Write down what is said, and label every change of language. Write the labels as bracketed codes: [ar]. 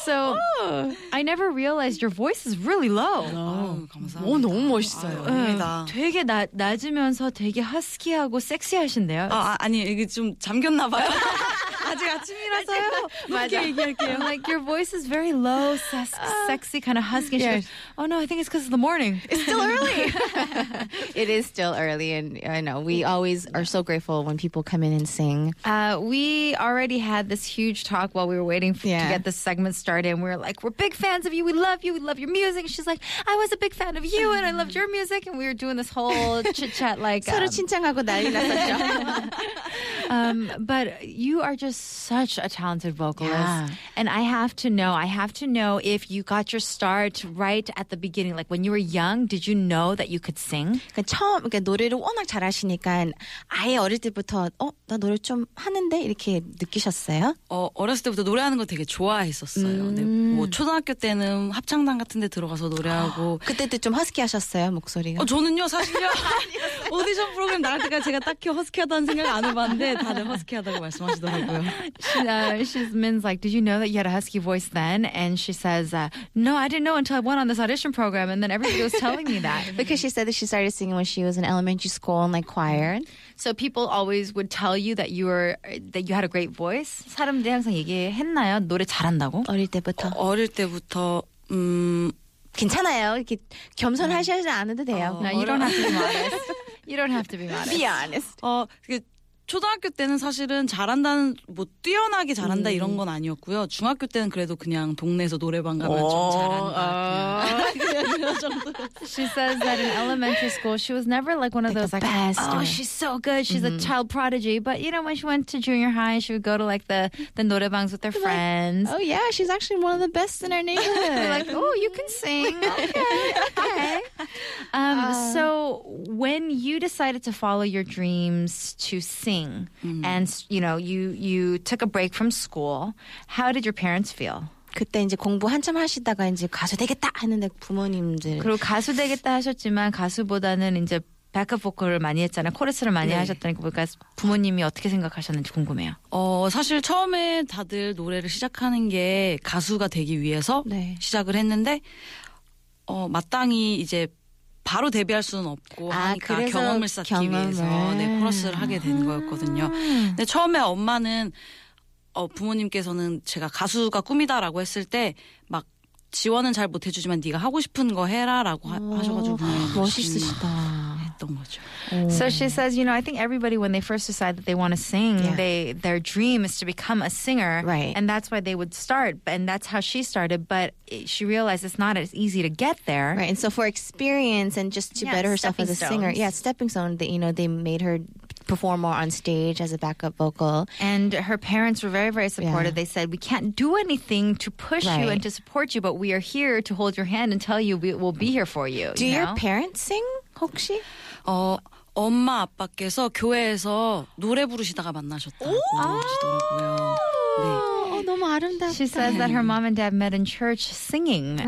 [en] So, I never realized your voice is really low. No. [ko] 감사합니다. 오, 너무 멋있어요. 아닙니다. 되게 낮으면서 되게 허스키하고 섹시하신데요. 아니, 이게 좀 잠겼나 봐요. 아직 아침이라서요. 맞아. 얘기할게요. [en] Like, your voice is very low, sexy, kind of husky. Yeah. She goes, oh no, I think it's because of the morning. It's still early. It is still early, and I know. We always are so grateful when people come in and sing. We already had this huge talk while we were waiting for, to get this segment started, and we were like, we're big fans of you. We love you. We love your music. And she's like, I was a big fan of you, and I loved your music, and we were doing this whole chit-chat like... [ko] 서로 칭찬하고 난리 났었죠. [en] But you are just such a talented vocalist. Yeah. And I have to know, if you got your start right at the beginning, like when you were young, did you know that you could sing? [ko] 그러니까 노래를 워낙 잘하시니까 아예 어릴 때부터 나 노래 좀 하는데 이렇게 느끼셨어요? 어렸을 때부터 노래하는 거 되게 좋아했었어요. 뭐 초등학교 때는 합창단 같은 데 들어가서 노래하고 그때도 좀 허스키하셨어요, 목소리가? 저는요, 사실요. 오디션 프로그램 나갈 때까지 제가 딱히 허스키하다는 생각을 안 해봤는데 다들 허스키하다고 말씀하시더라고요. [en] Min's like, did you know that you had a husky voice then? And she says, no, I didn't know until I went on this audition program and then everybody was telling me that. Because she said that she started singing when she was in elementary school in like choir. So people always would tell you that you were that you had a great voice? [ko] 사람들이 항상 얘기했나요? 노래 잘한다고? 어릴 때부터. 어릴 때부터 괜찮아요. 이렇게 겸손하셔야지 않아도 돼요. [en] No, you don't have to be modest. You don't have to be modest. Be honest. [ko] 초등학교 때는 사실은 잘한다는 뭐 뛰어나게 잘한다 이런 건 아니었고요. 중학교 때는 그래도 그냥 동네에서 노래방 가면 좀 잘한다. [en] She says that in elementary school she was never like one of those the best. Like, oh, she's so good. She's a child prodigy. But you know, when she went to junior high, she would go to like the 노래방s with her friends. Like, oh yeah, she's actually one of the best in our neighborhood. Like, oh, you can sing. Okay. So when you decided to follow your dreams to sing, and you know, you took a break from school, how did your parents feel? [ko] 그때 이제 공부 한참 하시다가 이제 가수 되겠다 하는데 부모님들 그리고 가수 되겠다 하셨지만 가수보다는 이제 백업 보컬을 많이 했잖아요. 코러스를 많이 하셨다니까 보니까 부모님이 어떻게 생각하셨는지 궁금해요. 사실 처음에 다들 노래를 시작하는 게 가수가 되기 위해서 시작을 했는데 마땅히 이제 바로 데뷔할 수는 없고 하니까 경험을 쌓기 위해서 코러스를 하게 된 거였거든요. 근데 처음에 엄마는 부모님께서는 제가 가수가 꿈이다라고 했을 때 막 지원은 잘 못 해주지만 네가 하고 싶은 거 해라라고 하셔가지고 멋있으시다 했던 거죠. [en] So she says, you know, I think everybody when they first decide that they want to sing, their dream is to become a singer, right? And that's why they would start, and that's how she started. But she realized it's not as easy to get there, right? And so for experience and just to better herself as a singer, stepping stone. That you know, they made her perform more on stage as a backup vocal. And her parents were very, very supportive. Yeah. They said, we can't do anything to push you and to support you, but we are here to hold your hand and tell you we will be here for you. Do your parents sing, [ko] 혹시? 엄마 아빠께서 교회에서 노래 부르시다가 만나셨다고 하시더라고요. 네. 너무 아름답다. [en] She says that her mom and dad met in church singing, right.